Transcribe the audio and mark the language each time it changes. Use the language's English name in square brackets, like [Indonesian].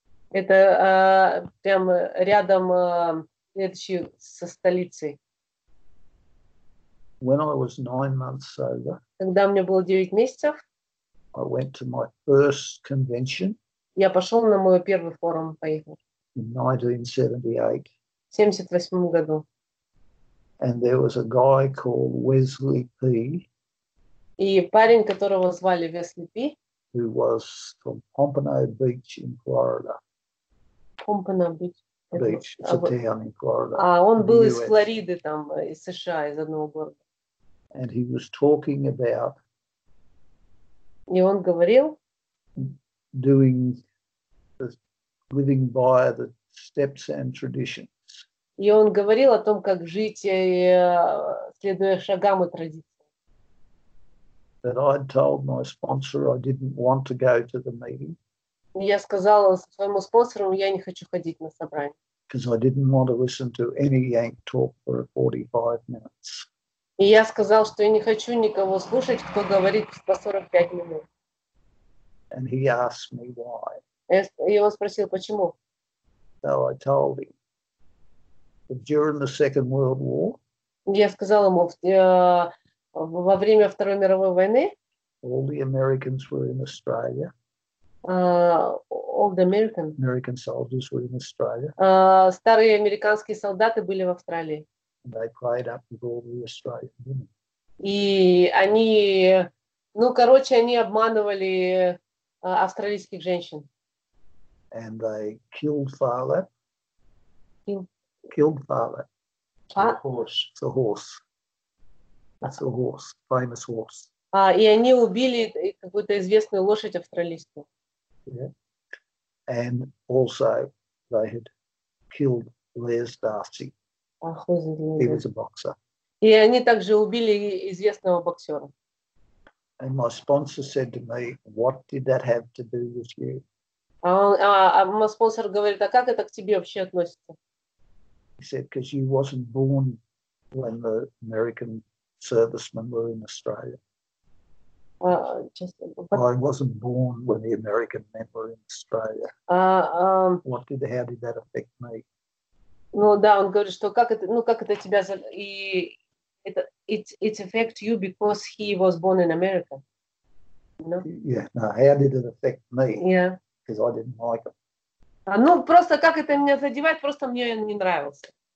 [Russian] Это прям рядом со столицей. [English] When I was 9 months sober, [Russian] когда мне было 9 месяцев, [English] I went to my first convention. [Russian] Я пошел на мой первый форум поехал. [English] In 1978. [Russian] В 78 году. [English] And there was a guy called Wesley P. [Russian] И парень, которого звали Wesley P. [English] Who was from Pompano Beach in Florida. Pompano Beach. Beach. It's a town in Florida. [Russian] А он был из Флориды, там из США, из одного города. [English] And he was talking about. [Russian] И он говорил. [English] Doing, living by the steps and tradition. [Russian] И он говорил о том, как жить, следуя шагам и традициям. [English] But I told my sponsor I didn't want to go to the meeting. [Russian] Я сказала своему спонсору, я не хочу ходить на собрание. [English] Because I didn't want to listen to any yank talk for 45 minutes. [Russian] И я сказал, что я не хочу никого слушать, кто говорит по 45 минут. [English] And he asked me why. [Russian] И он спросил, почему? [English] So I told him. During the Second World War, [Russian] я сказал ему, во время Второй мировой войны, [English] all the Americans were in Australia. All the American. American soldiers were in Australia. [Russian] Старые американские солдаты были в Австралии. [English] And they played up with all the Australian women. [Russian] И они, ну, короче, они обманывали австралийских женщин. [English] And they killed Farlap. Killed Farlap. It's a horse. Famous horse. [Russian] И они убили какую-то известную лошадь австралийскую. [English] Yeah. And also they had killed Les Darcy. He was a boxer. [Russian] И они также убили известного боксера. [English] And my sponsor said to me, what did that have to do with you? [Russian] Мой спонсор говорит, а как это к тебе вообще относится? [English] He said, because you wasn't born when the American servicemen were in Australia. I wasn't born when the American men were in Australia. How did that affect me? [Russian] Ну да, он говорит, что как это, ну как это тебя за... и это [English] it affect you because he was born in America. No? Yeah, no, how did it affect me? Yeah. Because I didn't like him. [Russian] А, ну просто как это меня задевает, просто мне он не нравился.